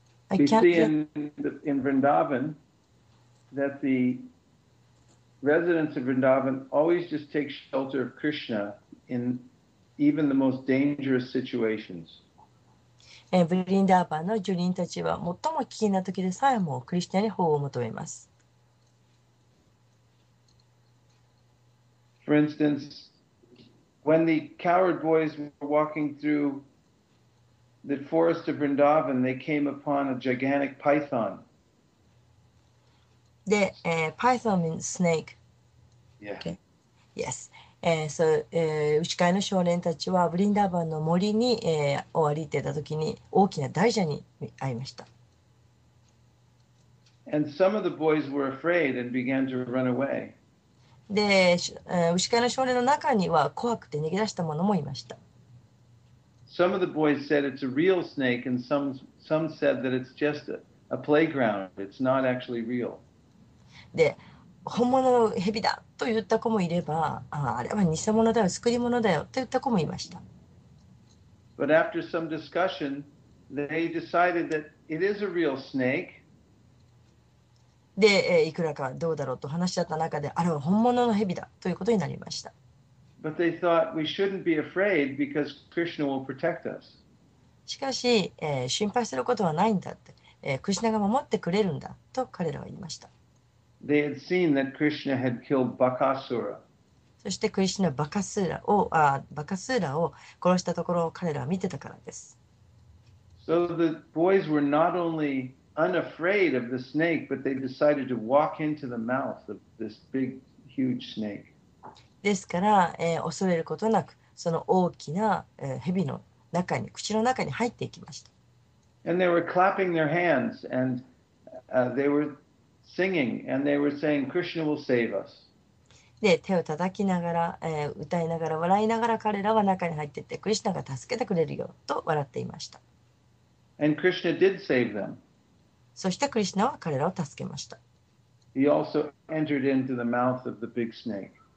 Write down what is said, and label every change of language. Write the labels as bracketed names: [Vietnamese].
[English] I can't see in Vrindavan that the residents of Vrindavan always just take shelter of Krishna in even the most dangerous situations. [Japanese] ブリンダーバーの住人たちは最も危険な時でさえもクリシュナに保護を求めます。 [English] For instance, when the coward boys were walking through the forest of Vrindavan, they came upon a gigantic python. で、Python means snake. Yeah. Okay. Yes. [Japanese] そう、牛飼いの少年たちはブリンダーバンの森に、を歩いていたときに大きな大蛇に会いました。 [English] And some of the boys were afraid and began to run away. [Japanese] で、牛飼いの少年の中には怖くて逃げ出した者もいました。 [English] Some of the boys said it's a real snake and some said that it's just a playground. It's not actually real. [Japanese] で、本物の蛇だと言った子もいれば、あれは偽物だよ、作り物だよと言った子もいました。 [English] But after some discussion, they decided that it is a real snake. [Japanese] で、いくらかどうだろうと話し合った中で、あれは本物の蛇だということになりました。 [English] But they thought we shouldn't be afraid because Krishna will protect us. [Japanese] しかし、心配することはないんだって、クリシュナが守ってくれるんだと彼らは言いました。 [English] They had seen that Krishna had killed Bakasura. [Japanese] そしてクリシュナバカスーラを、バカスーラを殺したところを彼らは見てたからです。 [English] So the boys were not only unafraid of the snake, but they decided to walk into the mouth of this big, huge snake. [Japanese] ですから、恐れることなくその大きな、蛇の中に口の中に入っていきました。 [English] And they were clapping their hands and, they were. Singing, and they were saying, "Krishna will save us." [Japanese] で、手を叩きながら、歌いながら、笑いながら、彼らは中に入っていって、クリシュナが助けてくれるよと笑っていました。 [English] And Krishna did save them. [Japanese] そしてクリシュナは彼らを助けました。 [English] He also entered into the mouth of the big snake.